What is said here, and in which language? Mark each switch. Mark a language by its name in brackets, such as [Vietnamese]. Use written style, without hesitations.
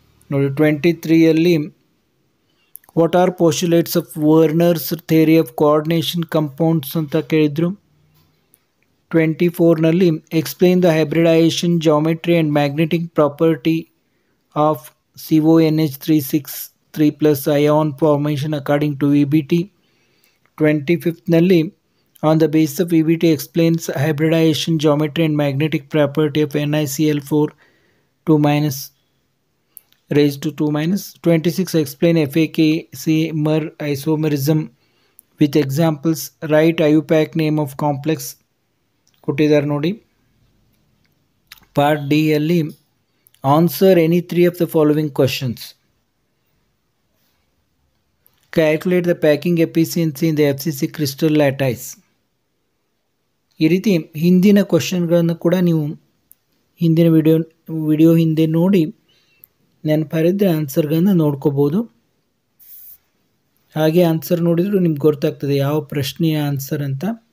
[English] ನೋಡಿ, 23ನಲ್ಲಿ what are postulates of Werner's theory of coordination compounds [Kannada] ಅಂತ ಕೇಳಿದರು. [English] 24ನಲ್ಲಿ explain the hybridization geometry and magnetic property of CONH3 6 3 plus ion formation according to VBT. 25th nalli, on the basis of VBT explains hybridization geometry and magnetic property of NiCl4 2 minus raised to 2 minus. 26 explain FAKC mer isomerism with examples. Write IUPAC name of complex. [Kannada] Kutidar nodi. [English] Part D alli, answer any three of the following questions. Calculate the packing efficiency in the FCC crystal lattice. [Kannada] ಈ ರೀತಿ ಹಿಂದಿನ ಕ್ವಶನ್ಗಳನ್ನು ಕೂಡ ನೀವು ಹಿಂದಿನ video ಹಿಂದೆ ನೋಡಿ ನೆನಪಾರಿದ್ರೆ ಆನ್ಸರ್ಗಳನ್ನು ನೋಡ್ಕೋಬೋದು. ಹಾಗೆ ಆನ್ಸರ್ ನೋಡಿದರೂ ನಿಮ್ಗೆ ಗೊತ್ತಾಗ್ತದೆ ಯಾವ ಪ್ರಶ್ನೆಯ ಆನ್ಸರ್ ಅಂತ.